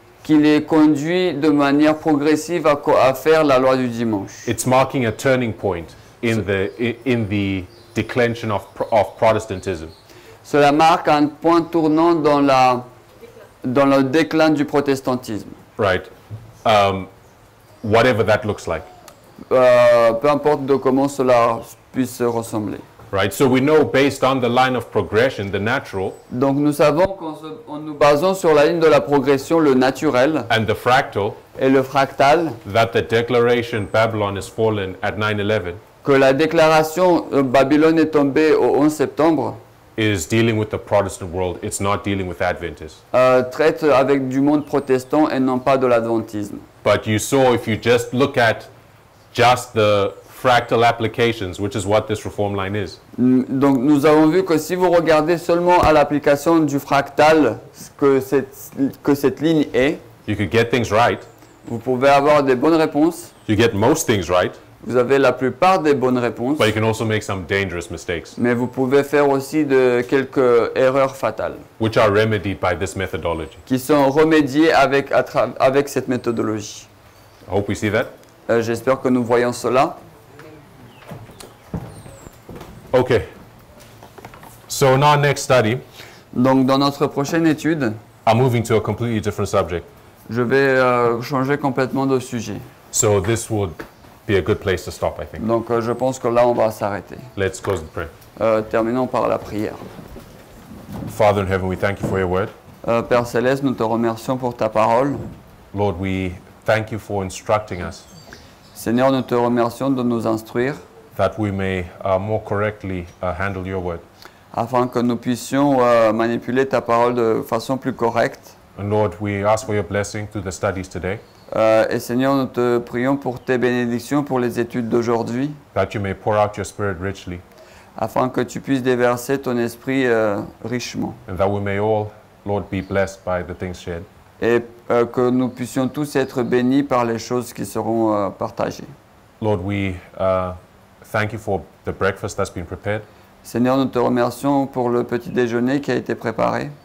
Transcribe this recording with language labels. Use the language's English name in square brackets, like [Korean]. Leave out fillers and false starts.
[French] Qui les conduit de manière progressive à faire la loi du dimanche. [English] It's marking a turning point in the declension of Protestantism. [French] Cela marque un point tournant dans le déclin du protestantisme. [English] Right. Whatever that looks like. [French] Peu importe de comment cela puisse ressembler. [English] Right. So we know based on the line of progression, the natural. [French] Donc nous savons qu'en nous basant sur la ligne de la progression, le naturel. [English] And the fractal. [French] Et le fractal. [English] That the declaration Babylon is fallen at 9/11. [French] Que la déclaration Babylone est tombée au 11 septembre. [English] Is dealing with the Protestant world. It's not dealing with Adventists. [French] Traite avec du monde protestant et non pas de l'adventisme. [English] But you saw if you just look at just the fractal applications, which is what this reform line is. [French] Donc nous avons vu que si vous regardez seulement à l'application du fractal que cette ligne est, [English] you could get things right. [French] Vous pouvez avoir des bonnes réponses. [English] You get most things right. [French] Vous avez la plupart des bonnes réponses. [English] But you can also make some dangerous mistakes. [French] Mais vous pouvez faire aussi de quelques erreurs fatales. [English] Which are remedied by this methodology. [French] Qui sont remédiées avec cette méthodologie. [English] I hope we see that. [French] J'espère que nous voyons cela. [English] Okay. So in our next study. [French] Donc dans notre prochaine étude. [English] I'm moving to a completely different subject. [French] Je vais changer complètement de sujet. [English] So this would be a good place to stop, I think. [French] Donc je pense que là on va s'arrêter. [English] Let's close the prayer. [French] Terminons par la prière. [English] Father in heaven, we thank you for your word. [French] Père céleste, nous te remercions pour ta parole. [English] Lord, we thank you for instructing us. [French] Seigneur, nous te remercions de nous instruire. [English] That we may more correctly handle your word. [French] Afin que nous puissions manipuler ta parole de façon plus correcte. [English] And Lord, we ask for your blessing through the studies today. [French] Et Seigneur, nous te prions pour tes bénédictions pour les études d'aujourd'hui. [English] That you may pour out your spirit richly. [French] Afin que tu puisses déverser ton esprit richement. [English] And that we may all, Lord, be blessed by the things shared. [French] Et que nous puissions tous être bénis par les choses qui seront partagées. [English] Lord, we thank you for the breakfast that's been prepared. [French] Seigneur, nous te remercions pour le petit déjeuner qui a été préparé.